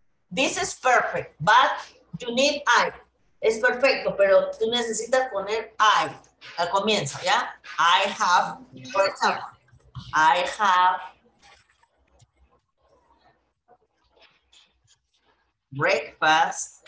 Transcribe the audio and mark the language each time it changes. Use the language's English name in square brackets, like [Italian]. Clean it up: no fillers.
[English] This is perfect, but you need I. [Spanish] Es perfecto, pero tú necesitas poner I al comienzo, ¿ya? [English] I have, for example, I have breakfast.